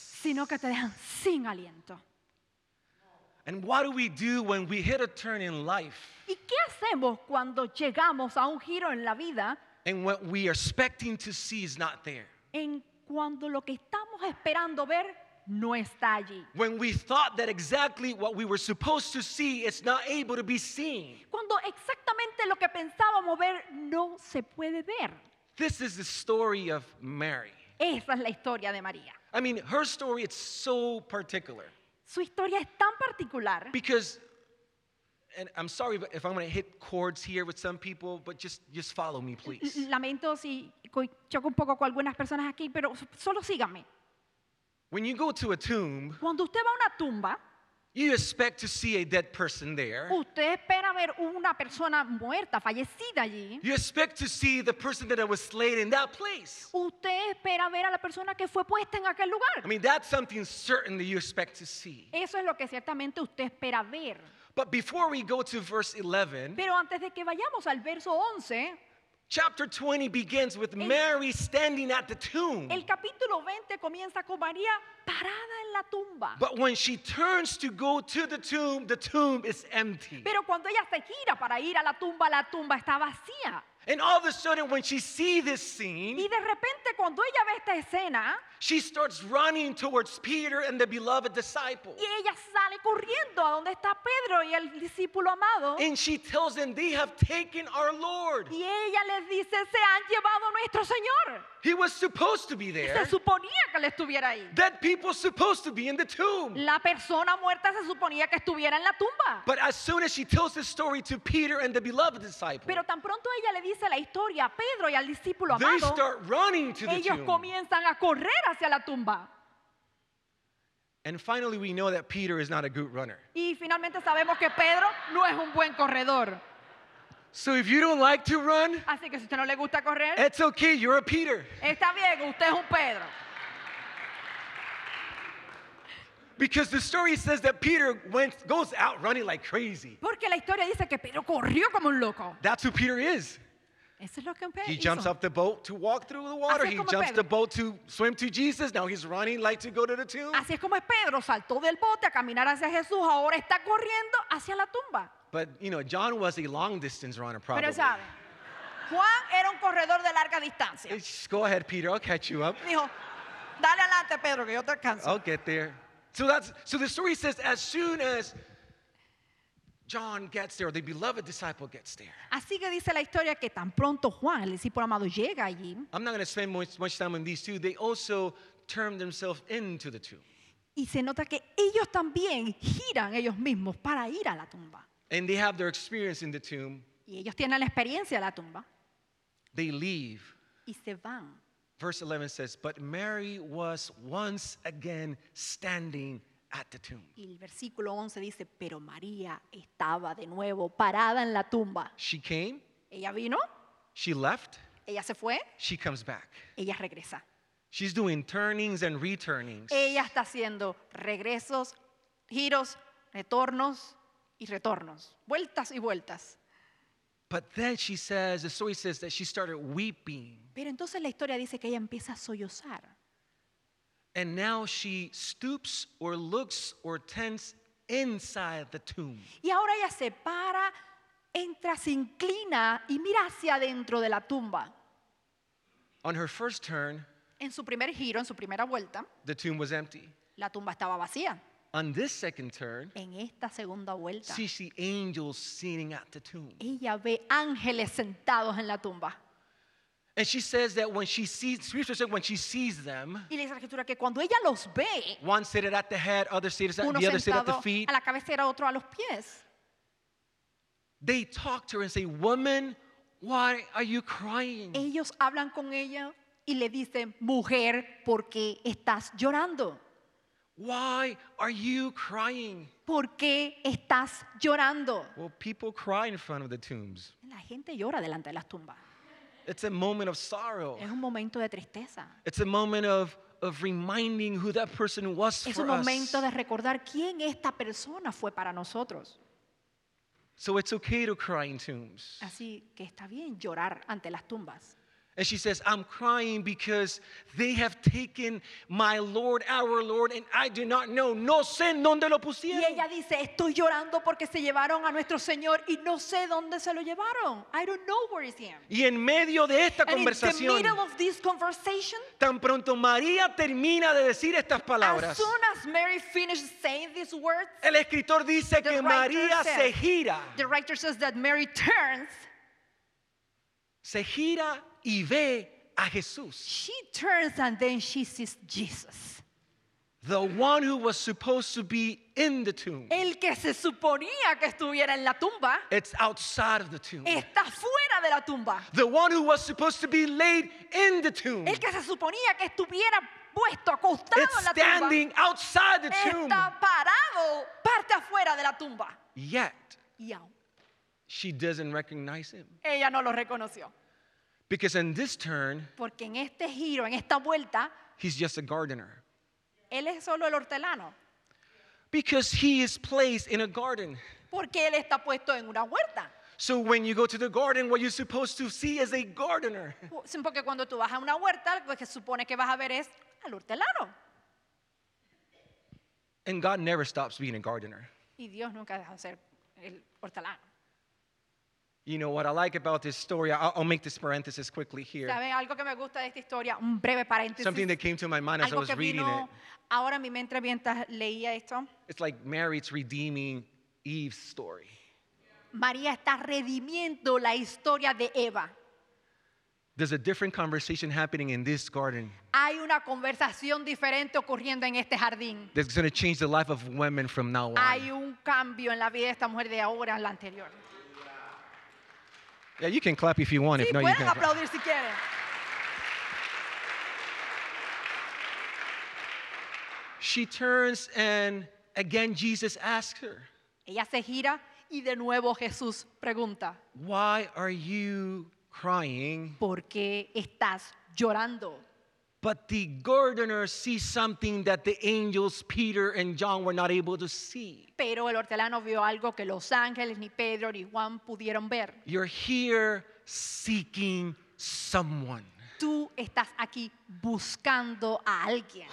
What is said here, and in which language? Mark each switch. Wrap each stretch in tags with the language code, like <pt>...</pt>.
<es>sino que te dejan sin aliento.</es> <en>And what do we do when we hit a turn in life?</en> <es>¿Y qué hacemos cuando llegamos a un giro en la vida?</es> <en>And what we are expecting to see is not there.</en> <es>En cuando lo que estamos esperando ver no está allí.</es> <en>When we thought that exactly what we were supposed to see is not able to be seen.</en> <es>Cuando exactamente lo que pensábamos ver no se puede ver.</es> <en>This is the story of Mary.</en> <es>Esa es la historia de María.</es> <en>I mean, her story is so particular.</en> <es>Su historia es tan particular.</es> <en>Because, and I'm sorry if I'm going to hit chords here with some people, but just follow me, please.</en> <es>Lamento si choco un poco con algunas personas aquí, pero solo síganme.</es> <en>When you go to a tomb,</en> <es>cuando usted va a una tumba,</es> <en>you expect to see a dead person there.</en> <es>Usted espera ver una persona muerta, fallecida allí.</es> <en>You expect to see the person that was slain in that place.</en> <es>Usted espera ver a la persona que fue puesta en aquel lugar.</es> <en>I mean, that's something certain that you expect to see.</en> <es>Eso es lo que ciertamente usted espera ver.</es> <en>But before we go to verse 11,</en> <es>pero antes de que vayamos al verso 11,</es> <en>Chapter 20 begins with Mary standing at the tomb.</en> <es>El capítulo 20 comienza con María parada en la tumba.</es> <en>But when she turns to go to the tomb is empty.</en> <es>Pero cuando ella se gira para ir a la tumba está vacía.</es> <en>And all of a sudden, when she sees this scene,</en> <es>y de repente, cuando ella ve esta escena,</es> <en>she starts running towards Peter and the beloved disciple.</en> <es>Y ella sale corriendo a donde está Pedro y el discípulo amado.</es> <en>And she tells them, "They have taken our Lord."</en> <es>Y ella les dice, "Se han llevado nuestro Señor."</es> <en>He was supposed to be there.</en> <es>Se suponía que él estuviera ahí.</es> <en>Dead people supposed to be in the tomb.</en> <es>La persona muerta se suponía que estuviera en la tumba.</es> <en>But as soon as she tells this story to Peter and the beloved disciple,</en> <es>pero tan pronto ella le dice la historia a Pedro y al discípulo amado,</es> <en>they start running to the</en> <es>ellos</es> <en>tomb.</en> <es>Comienzan a correr hacia la tumba.</es> <en>And finally, we know that Peter is not a good runner.</en> <es>Y finalmente sabemos que Pedro no es un buen corredor.</es> <en>So if you don't like to run,</en> <es>así que si usted no le gusta correr,</es> <en>it's okay, you're a Peter.</en> <es>Está bien, usted es un Pedro.</es> <en>Because the story says that Peter went goes out running like crazy.</en> <es>Porque la historia dice que Pedro corrió como un loco.</es> <en>That's who Peter is.</en> <es>Eso es lo que Pedro</es> <en>he jumps</en> <es>hizo.</es> <en>Off the boat to walk through the water. He jumps</en> <es>Pedro.</es> <en>The boat to swim to Jesus. Now he's running like to go to the tomb.</en> <es>Así es como es Pedro, saltó del bote a caminar hacia Jesús, ahora está corriendo hacia la tumba.</es> <en>But you know, John was a long distance runner, probably.</en> <es>Pero sabe, Juan era un corredor de larga distancia.</es> <en>Go ahead, Peter. I'll catch you up.</en> <es>Dijo, dale adelante, Pedro, que yo te alcanzo.</es> <en>I'll get there. So the story says, as soon as John gets there, the beloved disciple gets there.</en> <es>Así que dice la historia que tan pronto Juan, el discípulo amado, llega allí.</es> <en>I'm not going to spend much time on these two. They also turn themselves into the tomb.</en> <es>Y se nota que ellos también giran ellos mismos para ir a la tumba.</es> <en>And they have their experience in the tomb.</en> <es>Y ellos tienen la experiencia en la tumba.</es> <en>They leave.</en> <es>Y se van.</es> <en>Verse 11 says, but Mary was once again standing at the tomb.</en> <es>Y el versículo 11 dice, pero María estaba de nuevo parada en la tumba.</es> <en>She came.</en> <es>Ella vino.</es> <en>She left.</en> <es>Ella se fue.</es> <en>She comes back.</en> <es>Ella regresa.</es> <en>She's doing turnings and returnings.</en> <es>Ella está haciendo regresos, giros, retornos. Y retornos, vueltas y vueltas.</es> <en>But then she says, the story says that she started weeping.</en> <es>Pero entonces la historia dice que ella empieza a sollozar.</es> <en>And now she stoops or looks or tends inside the tomb.</en> <es>Y ahora ella se para, entra, se inclina y mira hacia adentro de la tumba.</es> <en>On her first turn,</en> <es>en su primer giro, en su primera vuelta,</es> <en>the tomb was empty.</en> <es>La tumba estaba vacía.</es> <en>On this second turn,</en> <es>en esta segunda vuelta,</es> <en>she sees angels sitting at the tomb.</en> <es>Ella ve ángeles sentados en la tumba.</es> <en>And she says that when she sees, Scripture says when she sees them,</en> <es>y le dice la escritura que cuando ella los ve,</es> <en>one seated at the head, other seated, the other seated at the feet,</en> <es>a la cabecera, otro a los pies.</es> <en>They talk to her and say, "Woman, why are you crying?"</en> <es>Ellos hablan con ella y le dicen, "Mujer, ¿por qué estás llorando?"</es> <en>Why are you crying?</en> <es>¿Por qué estás llorando?</es> <en>Well, people cry in front of the tombs.</en> <es>La gente llora delante de las tumbas.</es> <en>It's a moment of sorrow.</en> <es>Es un momento de tristeza.</es> <en>It's a moment of reminding who that person was for us.</en> <es>Es un momento de recordar quién esta persona fue para nosotros.</es> <en>So it's okay to cry in tombs.</en> <es>Así que está bien llorar ante las tumbas.</es> <en>And she says, I'm crying because they have taken my Lord, our Lord, and I do not know.</en> <es>No sé dónde lo pusieron. Y ella dice, estoy llorando porque se llevaron a nuestro Señor y no sé dónde se lo llevaron.</es> <en>I don't know where is him.</en> <es>Y en medio de esta conversación,</es> <en>in the middle of this conversation,</en> <es>tan pronto María termina de decir estas palabras,</es> <en>as soon as Mary finished saying these words,</en> <es>el escritor dice que María se gira.</es> <en>The writer says that Mary turns.</en> <es>Se gira y ve a Jesús.</es> <en>She turns and then she sees Jesus. The one who was supposed to be in the tomb.</en> <es>El que se suponía que estuviera en la tumba.</es> <en>It's outside of the tomb.</en> <es>Está fuera de la tumba.</es> <en>The one who was supposed to be laid in the tomb.</en> <es>El que se suponía que estuviera puesto, acostado en la tumba.</es> <en>It's standing outside the tomb.</en> <es>Está parado, parte afuera de la tumba.</es> <en>Yet.</en> <es>Y aún.</es> <en>She doesn't recognize him.</en> <es>Ella no lo reconoció.</es> <en>Because in this turn,</en> <es>porque en este giro, en esta vuelta,</es> <en>he's just a gardener.</en> <es>Él es solo el hortelano.</es> <en>Because he is placed in a garden.</en> <es>Porque él está puesto en una huerta.</es> <en>So when you go to the garden, what you're supposed to see is a gardener.</en> <es>Porque cuando tú vas a una huerta, lo que se supone que vas a ver es al hortelano.</es> <en>And God never stops being a gardener.</en> <es>Y Dios nunca deja de ser el hortelano.</es> <en>You know what I like about this story? I'll make this parenthesis quickly here.</en> <es>¿Saben algo que me gusta de esta historia? Un breve paréntesis.</es> <en>Something that came to my mind as I was reading it.</en> <es>Ahora mi mente mientras leía esto.</es> <en>It's like Mary's redeeming Eve's story.</en> <es>María está redimiendo la historia de Eva.</es> <en>There's a different conversation happening in this garden.</en> <es>Hay una conversación diferente ocurriendo en este jardín.</es> <en>That's going to change the life of women from now on.</en> <es>Hay un cambio en la vida de esta mujer de ahora en la anterior.</es> <en>Yeah, you can clap if you want.</en> <es>Sí,</es> <en>if no, you can't.</en> <es>Aplaudir si quieren.</es> <en>She turns and again Jesus asks her.</en> <es>Ella se gira y de nuevo Jesús pregunta.</es> <en>Why are you crying?</en> <es>¿Por qué estás llorando?</es> <en>But the gardener sees something that the angels Peter and John were not able to see.</en> <es>Pero el hortelano vio algo que los ángeles ni Pedro ni Juan pudieron ver.</es> <en>You're here seeking someone.</en> <es>Tú estás aquí buscando a alguien.</es>